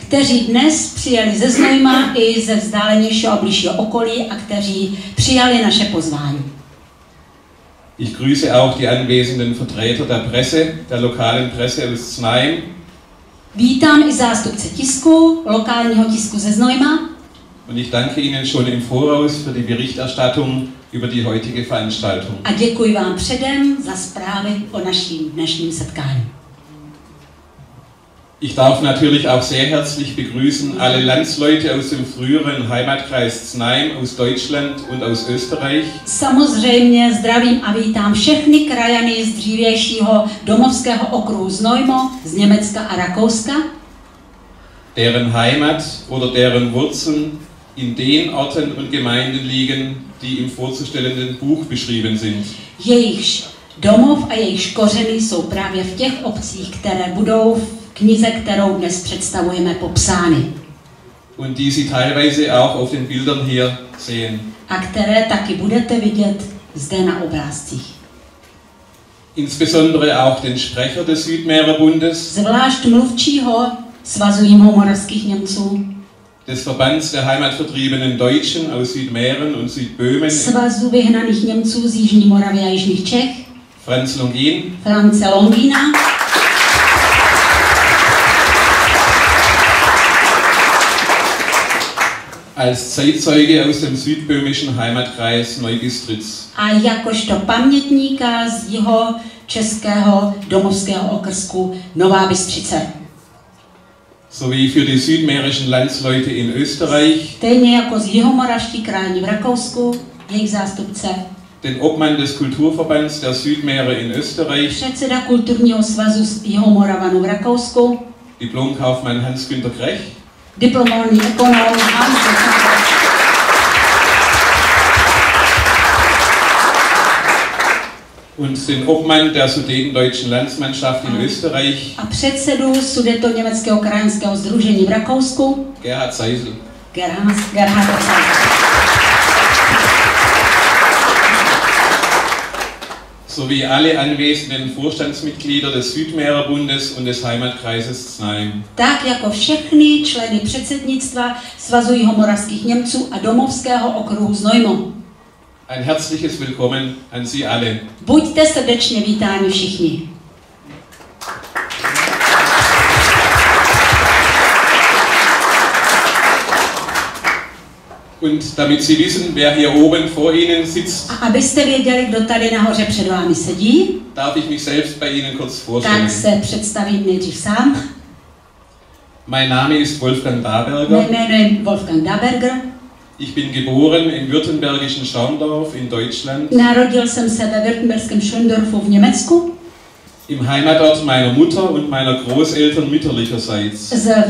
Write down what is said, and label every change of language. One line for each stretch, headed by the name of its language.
Czech: Kteří dnes přijeli ze Znojma i ze vzdálenějšího a blížšího okolí a kteří přijali naše pozvání.
German: Ich grüße auch die anwesenden Vertreter der Presse, der lokalen Presse aus Znajem.
Czech: Vítám i zástupce tisku, lokálního tisku ze Znojma.
German: Und ich danke Ihnen schon im Voraus für die Berichterstattung über die heutige Veranstaltung.
Czech: A děkuji vám předem za zprávy o našem dnešním setkání.
German: Ich darf natürlich auch sehr herzlich begrüßen alle Landsleute aus dem früheren Heimatkreis Znajem, aus Deutschland und aus Österreich.
Czech: Samozřejmě zdravím a vítám všechny krajany z dřívějšího domovského okruhu Znojmo, z Německa a Rakouska.
German: Deren Heimat oder deren Wurzeln in den Orten und Gemeinden liegen, die im vorzustellenden Buch beschrieben sind.
Czech: Jejichž domov a jejichž kořeny jsou právě v těch obcích, které budou v knize, kterou dnes představujeme, popsány.
German: Und die Sie teilweise auch auf den Bildern hier sehen.
Czech: A které taky budete vidět zde na obrázcích.
German: Insbesondere auch den Sprecher des Südmeerbundes.
Czech: Zvlášť mluvčího Svazu jihomoravských Němců.
German: Des Verbands der Heimatvertriebenen Deutschen aus Südmähren und Südböhmen.
Czech: Svazu vyhnaných Němců z Jižní Moravy a Jižních Čech.
German: Franz Longin.
Czech: Franze Longina.
German: Als Zeitzeuge aus dem südböhmischen Heimatkreis Neubistritz.
Czech: A jakožto pamětníka z jeho českého domovského okrsku Nová Bystřice.
German: Sowie für die südmährischen Landsleute in Österreich.
Czech: Stejně jako z jihomoravští krajani v Rakousku, jejich zástupce.
German: den Obmann des Kulturverbands der Südmeere in Österreich.
Czech: Předseda kulturního svazu z Jihomoravanu v Rakousku.
German: Diplomkaufmann Hans-Günter Krech.
Czech: Diplomovaný ekonom Hans-Günter Krech.
German: Und den Obmann der Sudetendeutschen Landsmannschaft in Österreich.
Czech: A předsedu Sudetoněmeckého krajanského sdružení v Rakousku.
German: Gerhard Seisel.
Czech: Gerhard Seisel.
German: Sowie alle anwesenden Vorstandsmitglieder des Südmeerbundes und des Heimatkreises Znaim.
Czech: Tak jako všechny členy předsednictva Svazu jihomoravských Němců a domovského okruhu Znojmo.
German: Ein herzliches Willkommen an Sie alle.
Czech: Buďte srdečně vítáni všichni.
German: Und damit Sie wissen, wer hier oben vor Ihnen sitzt.
Czech: A abyste věděli, kdo tady nahoře před vámi sedí.
German: Darf ich mich selbst bei Ihnen kurz vorstellen.
Czech: Tak se představím nejdřív sám.
German: Mein Name ist Wolfgang Daberger. Mein Wolfgang Daberger. Ich bin geboren im württembergischen Schaumdorf in Deutschland.
Czech: Narodil jsem se ve württembergském Schöndorfu v Německu.
German: Im Heimatort meiner Mutter und meiner Großeltern mütterlicherseits.